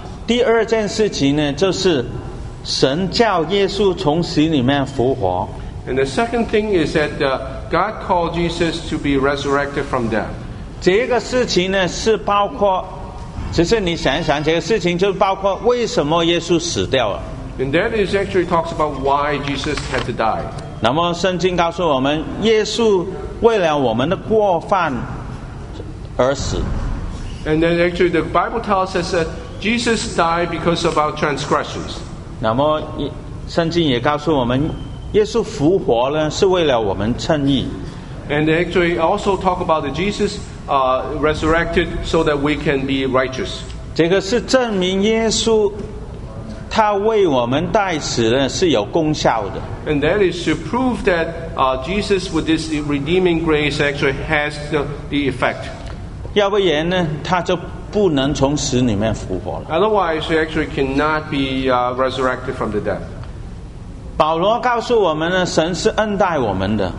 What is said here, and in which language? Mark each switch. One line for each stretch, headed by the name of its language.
Chinese: 第二件事情呢，就是神叫耶稣从死里面复活。
English: And the second thing is that God called Jesus to be resurrected from death.
Chinese: 这个事情呢，是包括，只是你想一想，这个事情就包括为什么耶稣死掉了。
English: And that is actually talks about why Jesus had to die.
Chinese: 那么圣经告诉我们耶稣为了我们的过犯而死。
English: And then actually the Bible tells us that Jesus died because of our transgressions.
Chinese: 那么圣经也告诉我们耶稣复活呢是为了我们称义。
English: And actually also talk about that Jesus resurrected so that we can be righteous.
Chinese: 这个是证明耶稣他为我们代死呢是有功效的。
English: And that is to prove that Jesus with this redeeming grace actually has the effect.
Chinese: 要不然呢他就不能从死里面复活了。
English: Otherwise, he actually cannot be resurrected from the dead.
Chinese: 保罗告诉我们呢神是恩待我们的。